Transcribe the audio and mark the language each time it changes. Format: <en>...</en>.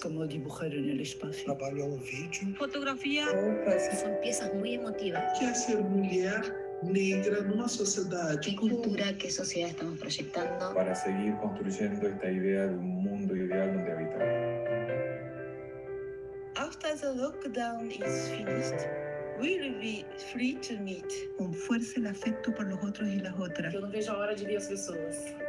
<es>Como dibujar en el espacio.</es> <pt>Trabalho en vídeo.</pt> <es>Fotografía. Roupas. Son piezas muy emotivas. ¿Qué es ser mujer negra en una sociedad? ¿Qué cultura, qué sociedad estamos proyectando? Para seguir construyendo esta idea de un mundo ideal donde habitar.</es> <en>After the lockdown is finished, we'll be free to meet.</en> <es>Con fuerza el afecto por los otros y las otras. Yo no vejo la hora de ver las personas.</es>